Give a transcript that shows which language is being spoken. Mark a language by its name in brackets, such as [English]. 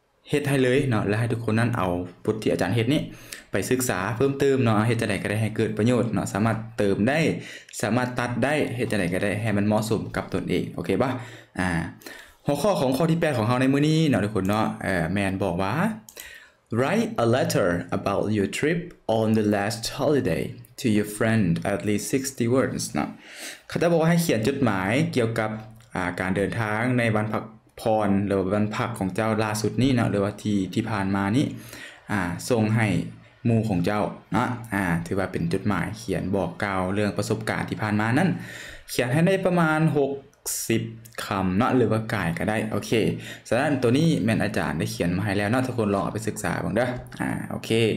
[Northeastern Thai] เฮ็ดให้เลยเนาะแล้วให้ทุกคนนั้นเอาบทที่อาจารย์เฮ็ดนี่ไปศึกษาเพิ่มเติมเนาะเฮ็ดจังได๋ก็ได้ให้เกิดประโยชน์เนาะสามารถเติมได้สามารถตัดได้เฮ็ดจังได๋ก็ได้ให้มันเหมาะสมกับตนเองโอเคป่ะหัวข้อของข้อที่8ของเราในมื้อนี้เนาะทุกคนเนาะแมนบอกว่า [English] Write a letter about your trip on the last holiday to your friend at least 60 words [Northeastern Thai] เขาจะบอกว่าให้เขียนจดหมายเกี่ยวกับการเดินทางในวันพักพรหรือวันพักของเจ้าล่าสุดนี้เนาะหรือว่าที่ผ่านมานี้ส่งให้หมู่ของเจ้านะถือว่าเป็นจดหมายเขียนบอกกล่าวเรื่องประสบการณ์ที่ผ่านมานั้นเขียนให้ได้ประมาณ60คำเนาะหรือว่ากายก็ได้โอเคสำหรับตัวนี้แม่นอาจารย์ได้เขียนมาให้แล้วเนาะทุกคนลองเอาไปศึกษาบ้างเด้อโอเค